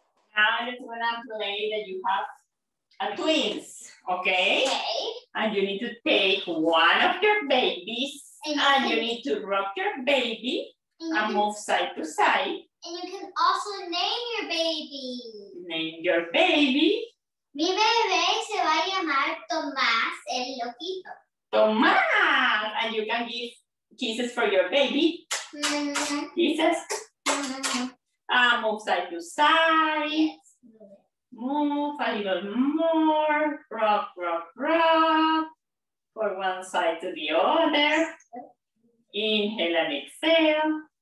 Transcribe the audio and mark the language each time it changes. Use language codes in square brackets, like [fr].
[en] Now, I just want to play that you have a twins. Okay? Okay. And you need to take one of your babies and you need to rock your baby and move side to side. And you can also name your baby. Name your baby. [es] Mi bebé se va a llamar Tomás el Loquito. Tomás! [en] And you can give kisses for your baby. Mm-hmm. Kisses. Mm-hmm. Move side to side. Yes. Move a little more. Rock, rock, rock. For one side to the other. Inhale and exhale.